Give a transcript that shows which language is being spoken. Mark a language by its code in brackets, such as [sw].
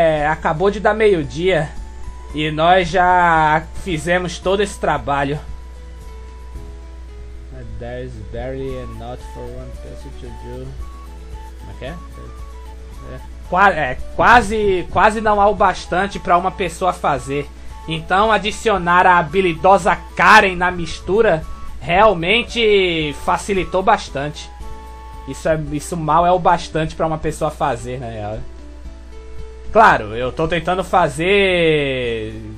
[pt] Acabou de dar meio-dia. E nós já fizemos todo esse trabalho. [en] There's barely enough for one person to do. [pt] Como é que é? Quase não há o bastante para uma pessoa fazer. Então adicionar a habilidosa Karen na mistura realmente facilitou bastante. Isso mal é o bastante para uma pessoa fazer, na real. Claro, eu tô tentando fazer...